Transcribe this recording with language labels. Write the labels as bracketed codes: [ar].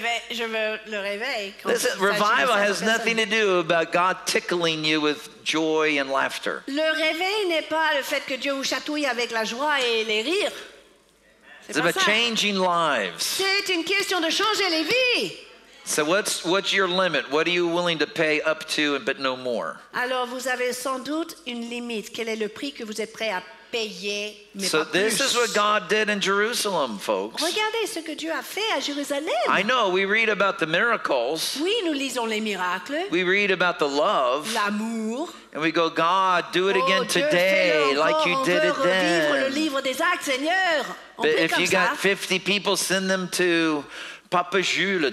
[en] Listen, revival has nothing to do about God tickling you with joy and laughter. [fr] Le réveil n'est pas le fait que Dieu vous chatouille avec la joie et les rires. [en] It's about changing lives. [fr] C'est une question de changer les vies. [en] So what's your limit? What are you willing to pay up to but no more? [fr] Alors vous avez sans doute une limite. Quel est le prix que vous êtes prêt à payer mais [en] so [fr] pas plus? [en] So this is what God did in Jerusalem, folks. [fr] Regardez ce que Dieu a fait à Jérusalem. [en] I know we read about the miracles. [fr] Oui, nous lisons les miracles. [en] We read about the love. [fr] L'amour. [en] And we go, God, do it again [fr] Dieu, [en] today, [fr] encore, [en] like you did it then. [fr] On veut revivre le livre des Actes, Seigneur. [en] But if you [fr] ça. [en] Got 50 people, send them to Papa Jules.